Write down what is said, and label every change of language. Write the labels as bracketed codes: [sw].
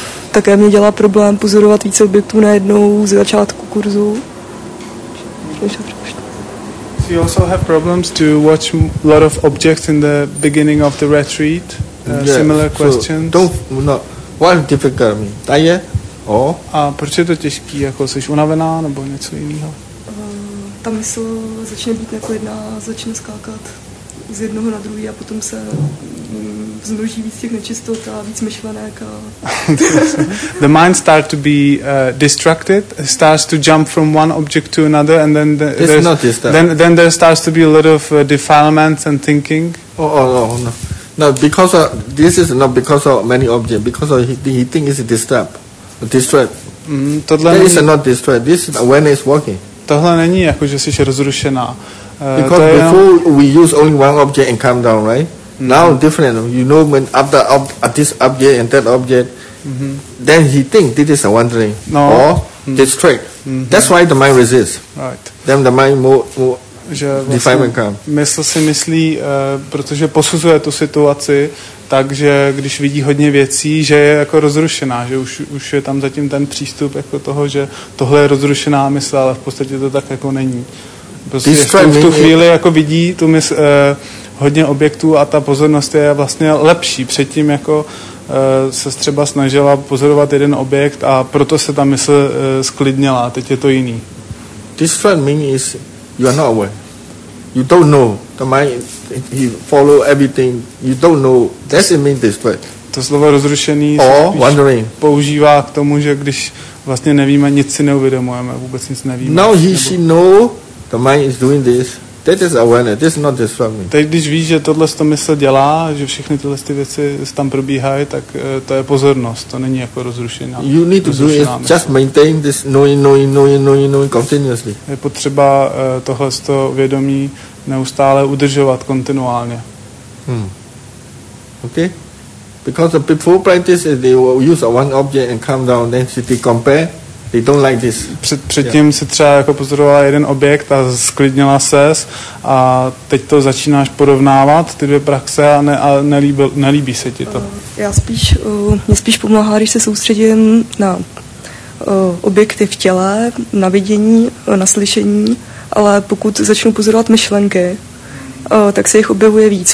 [cs] Také mě dělá problém pozorovat více objektů najednou ze začátku kurzu. [en] So you also have problems to watch a lot of objects in the beginning of the retreat? Yes. Similar questions? So don't, no. Why is it difficult? Tajet? Oh. [cs] A proč je to těžký? Jako jsi unavená nebo něco jiného? Ta mysl začne být neklidná, začne skákat z jednoho na druhý a potom se vzmnoží víc těch nečistot a víc myšlenek. A [en] the mind starts to be distracted, starts to jump from one object to another, and then then there starts to be a lot of defilements and thinking. No, because of, this is not because of many objects, because of he thinks it's distracted. Mm, this is not distracted. This is when it's working. [cs] Tohle není jako, že jsi rozrušená. [en] Because to before [cs] jenom... [en] we use only one object and calm down, right? Mm-hmm. Now different. You know when after this object and that object, then he think this is a wandering or this trick. That's why the mind resists. Right. Then the mind more define and calm. [cs] Mysl si myslí, protože posuzuje tu situaci, takže když vidí hodně věcí, že je jako rozrušená, že už je tam zatím ten přístup jako toho, že tohle je rozrušená mysl, ale v podstatě to tak jako není. Prostě v tu chvíli jako vidí tu mysl hodně objektů a ta pozornost je vlastně lepší. Předtím jako se třeba snažila pozorovat jeden objekt a proto se ta mysl sklidnila, teď je to jiný. [en] This friend meaning is you are not aware. You don't know. The mind, he follow everything. You don't know. That's it mean this way. [cs] To slovo rozrušený se používá k tomu, že když vlastně nevíme, nic si neuvědomujeme, vůbec nic nevíme. [en] Now he she know the mind is doing this. That is awareness. This is not this for me. [cs] Teď když víš, že tohle to mysl dělá, že všechny tyhle ty věci tam probíhají, tak to je pozornost. To není jako rozrušená. [en] You need to do it. Just maintain this knowing continuously. [cs] Je potřeba tohle to vědomí neustále udržovat kontinuálně. [en] Okay? Because the full practice is they will use one object and calm down, then they compare. They don't like this. [cs] Předtím si třeba jako pozorovala jeden objekt a sklidnila ses a teď to začínáš porovnávat, ty dvě praxe nelíbí se ti to. Mě spíš pomáhá, když se soustředím na objekty v těle, na vidění, na slyšení, ale pokud začnu pozorovat myšlenky, tak se jich objevuje víc.